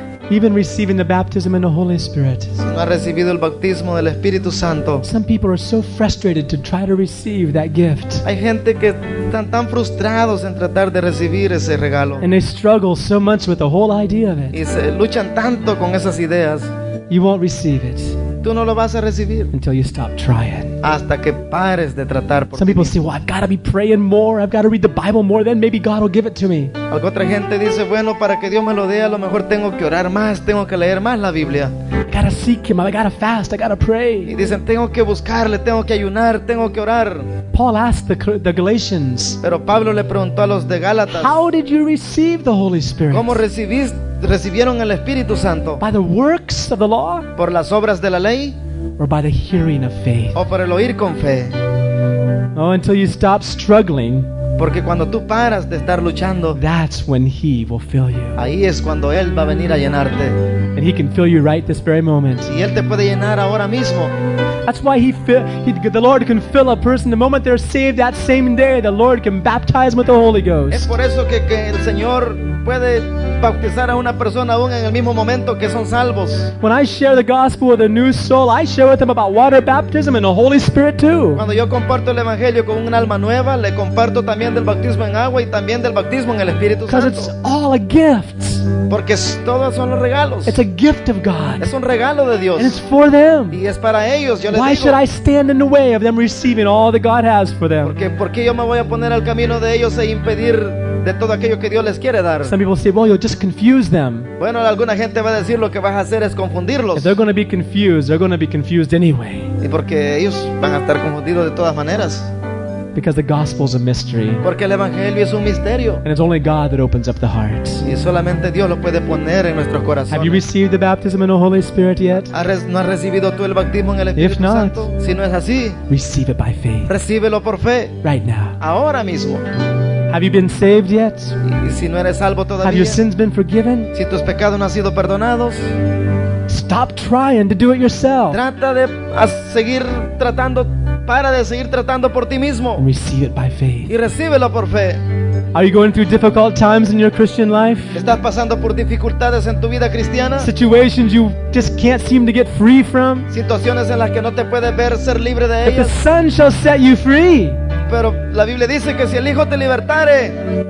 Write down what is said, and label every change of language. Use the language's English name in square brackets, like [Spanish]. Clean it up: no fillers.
[English] Even receiving the baptism in the Holy Spirit. [Spanish] Si no ha recibido el bautismo del Espíritu Santo. [English] Some people are so frustrated to try to receive that gift. [Spanish] Hay gente que están tan frustrados en tratar de recibir ese regalo. [English] And they struggle so much with the whole idea of it. [Spanish] Y se luchan tanto con esas ideas. [English] You won't receive it. [Spanish] Tú no lo vas a recibir. [English] Until you stop trying. [Spanish] Hasta que pares de tratar por. [English] Some people say, "Well, I've got to be praying more. I've got to read the Bible more. Then maybe God will give it to me." [Spanish] Algo otra gente dice, "Bueno, para que Dios me lo dé, a lo mejor tengo que orar más, tengo que leer más la Biblia." [English] I gotta seek Him. I gotta fast. I gotta pray. [Spanish] Y dicen, "Tengo que buscarle, tengo que ayunar, tengo que orar." [English] Paul asked the Galatians. [Spanish] Pero Pablo le preguntó a los de Gálatas. [English] How did you receive the Holy Spirit? [Spanish] ¿Cómo recibieron el Espíritu Santo? [English] By the works of the law? [Spanish] ¿Por las obras de la ley? [English] Or by the hearing of faith? [Spanish] ¿O por el oír con fe? [English] Oh, until you stop struggling. [Spanish] Porque cuando tú paras de estar luchando, [English] that's when He will fill you. [Spanish] Ahí es cuando Él va a venir a llenarte. [English] And He can fill you right this very moment. [Spanish] Y Él te puede llenar ahora mismo. [English] That's why the Lord can fill a person the moment they're saved. That same day, the Lord can baptize them with the Holy Ghost. [Spanish] Es por eso que el Señor puede bautizar a una persona aún en el mismo momento que son salvos. [English] When I share the gospel with a new soul, I share with them about water baptism and the Holy Spirit too. [Spanish] Cuando yo comparto el evangelio con un alma nueva, le comparto también del bautismo en agua y también del bautismo en el Espíritu Santo. [English] Because it's all a gift. [Spanish] Porque todos son los regalos. [English] It's a gift of God. [Spanish] Es un regalo de Dios. [English] And it's for them. [Spanish] Y es para ellos. Yo les [English] Why [Spanish] digo, [English] should I stand in the way of them receiving all that God has for them? [Spanish] Porque yo me voy a poner al camino de ellos e impedir de todo aquello que Dios les quiere dar. [English] Some people say, well, you'll just confuse them. [Spanish] Bueno, alguna gente va a decir lo que vas a hacer es confundirlos. [English] If they're going to be confused, they're going to be confused anyway. [Spanish] Y porque ellos van a estar confundidos de todas maneras. [English] Because the gospel is a mystery. [Spanish] Porque el evangelio es un misterio. [English] And it's only God that opens up the heart. [Spanish] Y solamente Dios lo puede poner en nuestros corazones. [English] Have you received the baptism in the Holy Spirit yet? [Spanish] ¿No has recibido tú el bautismo en el Espíritu Santo? [English] If not, [Spanish] si no es así, [English] receive it by faith. [Spanish] Recíbelo por fe. [English] Right now. [Spanish] Ahora mismo. [English] Have you been saved yet? [Spanish] Y si no eres salvo todavía. [English] Have your sins been forgiven? [Spanish] Si tus pecados no han sido perdonados. [English] Stop trying to do it yourself. [Spanish] Trata de seguir tratando. Para de seguir tratando por ti mismo. [English] And receive it by faith. [Spanish] Y recíbelo por fe. [English] Are you going through difficult times in your Christian life? [Spanish] ¿Estás pasando por dificultades en tu vida cristiana? [English] Situations you just can't seem to get free from? [Spanish] Situaciones en las que no te puedes ver ser libre de ellas. [English] But the Son shall set you free. [Spanish] Pero la Biblia dice que si el Hijo te libertare,